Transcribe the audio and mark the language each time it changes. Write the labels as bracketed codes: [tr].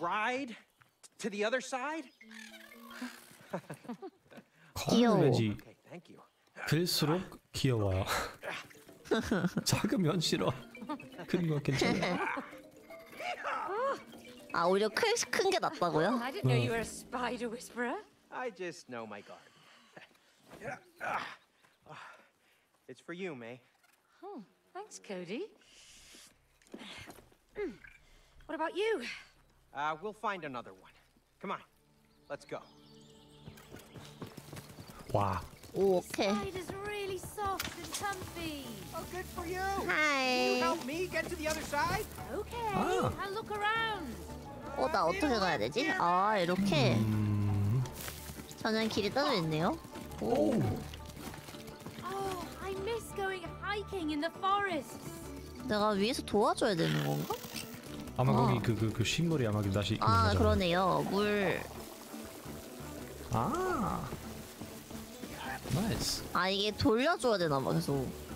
[en] Ride to the other side. [ko] 귀여워. 그럴수록 귀여워요. 작으면 싫어. 큰 건 괜찮아. 아, 오히려 큰 게 낫다고요? [en] I didn't know you were a spider whisperer. I just know my guard. It's for you, May. Oh, thanks, Cody. What about you? We'll find another one. Come on, let's go. [ko] 와. 오, 오케이. [en] The side is really soft and comfy. Oh, good for you. Hi. Can you help me get to the other side? Okay. Oh. I'll look around. [ko] 어, 나 어떻게 가야 되지? 아, 이렇게. 저는 길이 떨어져 있네요. 오. [en] Oh, I miss going hiking in the forest. [ko] 내가 위에서 도와줘야 되는 건가? 아마 거기 그 식물이 아마 다시 아, 그러네요. 물. 아. Nice. 아, 이게 돌려줘야 되나 봐, 계속.